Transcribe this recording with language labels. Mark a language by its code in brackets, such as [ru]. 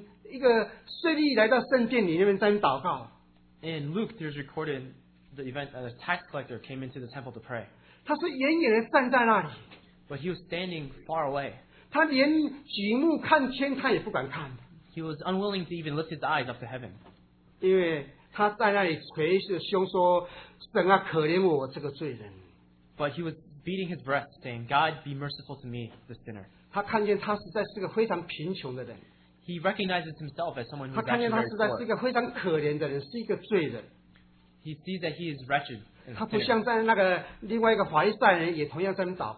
[zh] 我们看在路加福音记载，有一个人，一个税吏来到圣殿里面在那祷告。 [en] In Luke, there's recorded the event that a tax collector came into the temple to pray. [zh] 他是远远地站在那里。 [en] But he was standing far away. [zh] 他连举目看天，他也不敢看。 [en] He was unwilling to even lift his eyes up to heaven. [zh] 因为他在那里捶胸说，神啊，可怜我这个罪人。 [en] But he was beating his breast, saying, God, be merciful to me, the sinner. He recognizes himself as someone who is actually very poor. He sees that he is wretched and a sinner.